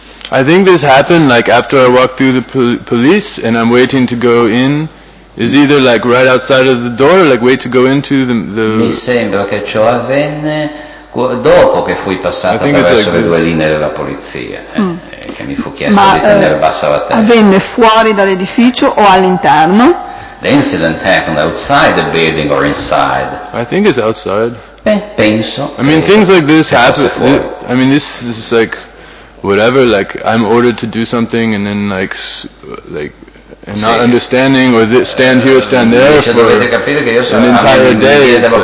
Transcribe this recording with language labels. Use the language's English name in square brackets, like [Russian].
[English] I think this happened like after I walked through the police and I'm waiting to go in. Is either like right outside of the door or like wait to go into the [Italian] mi sembra che ciò avvenne dopo che fui passato attraverso like le due linee della polizia e che mi fu chiesto ma, di tenere bassa la testa. Avvenne fuori dall'edificio o all'interno? [English] The incident happened outside the building or inside? I think it's outside. [Italian] Penso. [English] I mean, things like this happen. I mean, this is like whatever. Like I'm ordered to do something, and then and not understanding, or stand here, stand there for an entire day.